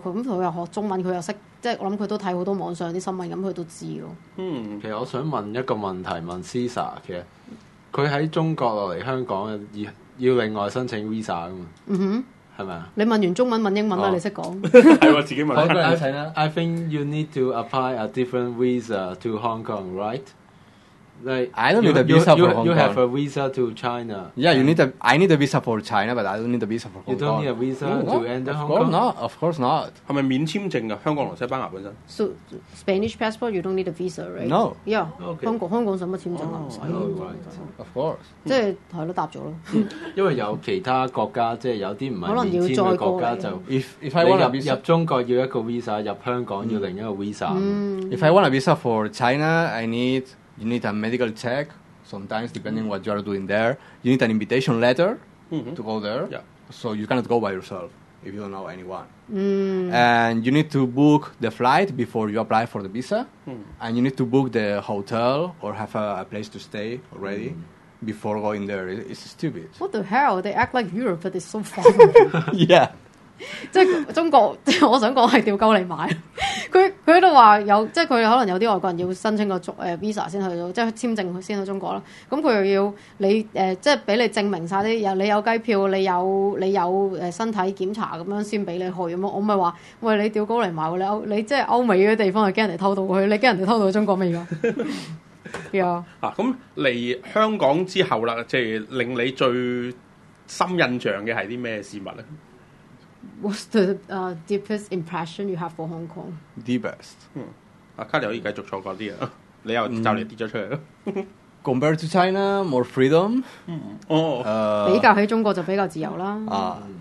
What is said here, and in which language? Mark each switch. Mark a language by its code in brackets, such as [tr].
[yue] 咁佢又學中文，佢又識，即係我諗佢都睇好多網上啲新聞，咁佢都知咯。其實我想問一個問題，問 Sisa 嘅，佢喺中國落嚟香港要另外申請 visa 噶嘛？嗯哼，係咪啊？你問完中文問英文啦，你識講。係我自己問。好，請啦。 [en] I think you need to apply a different visa to Hong Kong, right? Like I don't need a visa for Hong Kong. You have a visa to China. Yeah, you need a. I need a visa for China, but I don't need a visa for Hong Kong. You don't need a visa to enter Hong Kong. Of course not. [yue] 係咪免簽證㗎？香港同西班牙本身。 [en] So Spanish passport, you don't need a visa, right? No. Yeah. Okay. [yue] 香港什麼簽證啊？唔使。 [en] Oh, right. Of course. [yue] 即係係咯，答咗咯。因為有其他國家，即係有啲唔係免簽嘅國家就。 [en] If I want a visa, [yue] 入中國要一個 visa， 入香港要另一個 visa。 [en] If I want a visa for China, I need. You need a medical check, sometimes depending what you are doing there. You need an invitation letter to go there. Yeah. So you cannot go by yourself if you don't know anyone. And you need to book the flight before you apply for the visa. And you need to book the hotel or have a place to stay already before going there. It's stupid. What the hell? They act like Europe, but it's so far. Yeah. [yue] 即係中國，我想講係吊鳩你買。佢喺度話有，即係佢可能有啲外國人要申請個visa 先去到，即係簽證先去中國啦。咁佢又要你即係俾你證明曬啲，你有雞票，你有身體檢查咁樣先俾你去咁。我咪話喂，你吊鳩你買咧，你即係歐美嗰啲地方係驚人哋偷到去，你驚人哋偷到中國咩㗎？啊，咁嚟香港之後啦，即係令你最深印象嘅係啲咩事物咧？ [en] What's the deepest impression you have for Hong Kong? Deepest. [yue] Kali 可以繼續坐過一點，你又快點跌了出來。 [en] Compared to China, more freedom. [yue] 比較起中國就比較自由啦。